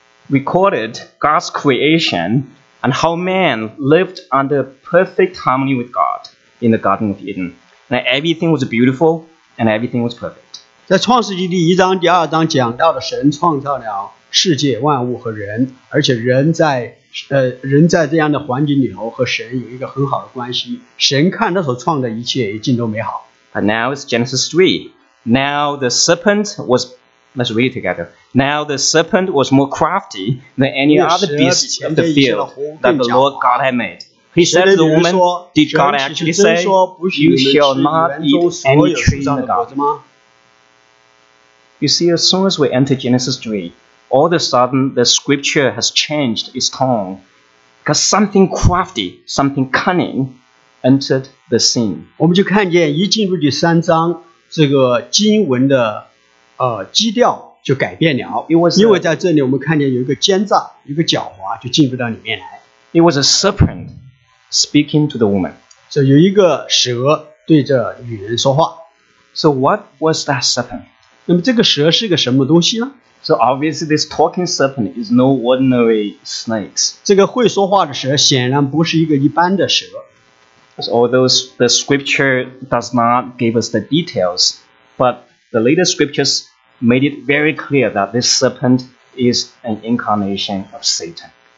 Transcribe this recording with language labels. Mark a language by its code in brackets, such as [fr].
[en] recorded God's creation and how man lived under perfect harmony with God in the Garden of Eden. And everything was beautiful and everything was perfect. [zh] 在创世纪第一章第二章讲到的神创造了世界万物和人，而且人在这样的环境里头和神有一个很好的关系。神看那所创的一切，也尽都美好。 [en] But now it's Genesis 3. Now the serpent was, let's read it together. Now the serpent was more crafty than any other beast of the field that the Lord God had made. He said to the woman, did God actually say, you shall not eat any tree in the garden? You see, as soon as we enter Genesis 3, all of a sudden the scripture has changed its tone. Because something crafty, something cunning, entered the scene. [zh] 我们就看见一进入第三章, 这个经文的, 基调, [en] It was a serpent speaking to the woman. [zh] So 有一个蛇对着女人说话. [en] So what was that serpent? [zh] 那么这个蛇是个什么东西呢? [en] So obviously this talking serpent is no ordinary snakes. [zh] 这个会说话的蛇显然不是一个一般的蛇. [en] So although the scripture does not give us the details, but the later scriptures made it very clear that this serpent is an incarnation of Satan.